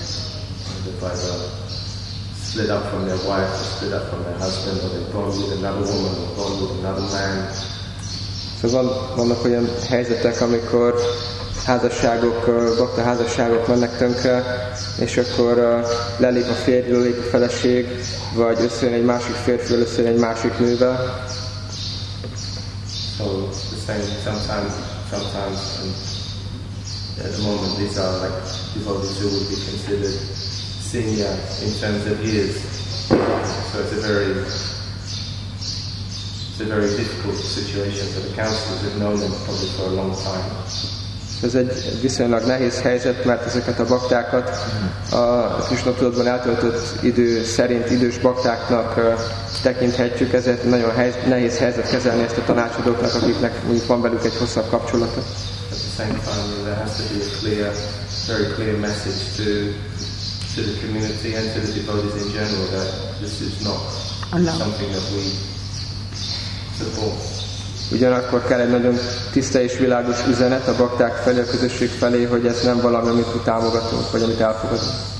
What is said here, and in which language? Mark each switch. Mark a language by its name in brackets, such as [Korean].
[English] If either split up from their wife or split up from their husband, or they bond with another woman or bond with another man. [Hungarian] So vannak olyan helyzetek, amikor házasságok, bakta házasságok mennek tönkre, és akkor lelép a férjről, lép a feleség, vagy összejön egy másik férjről, összejön egy másik nővel. [English] So, the same, sometimes and at the moment these are like, people who would be considered senior in terms of years. So it's a very difficult situation for the counselors, have known them probably for a long time. [Hungarian] Ez egy viszonylag nehéz helyzet, mert ezeket a baktákat a Krisna tudatban eltöltött idő szerint idős baktáknak tekinthetjük, ezért nagyon nehéz helyzet kezelni ezt a tanácsadóknak, akiknek mondjuk van velük egy hosszabb kapcsolata. [English] At the same time, there has to be a clear, very clear message to the community and to the devotees in general that this is not something that we support. [Hungarian] Ugyanakkor kell egy nagyon tiszta és világos üzenet a bakták felé, a közösség felé, hogy ez nem valami, amit támogatunk, vagy amit elfogadunk.